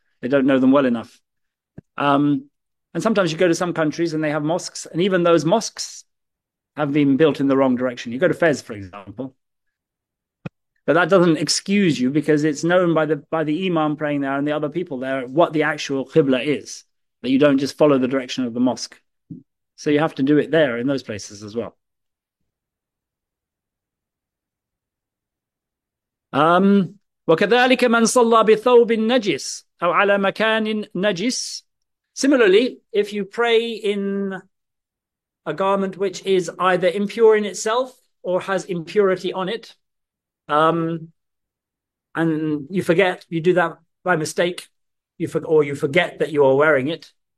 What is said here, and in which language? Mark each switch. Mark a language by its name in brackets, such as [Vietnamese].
[English] They don't know them well enough. And sometimes you go to some countries and they have mosques, and even those mosques have been built in the wrong direction. You go to Fez, for example, but that doesn't excuse you because it's known by the imam praying there and the other people there what the actual Qibla is, that you don't just follow the direction of the mosque. So you have to do it there in those places as well. [Arabic] وكذلك من صلى بثوب نجس أو على مكان نجس. [English] Similarly, if you pray in a garment which is either impure in itself or has impurity on it, and you forget, you do that by mistake, or you forget that you are wearing it.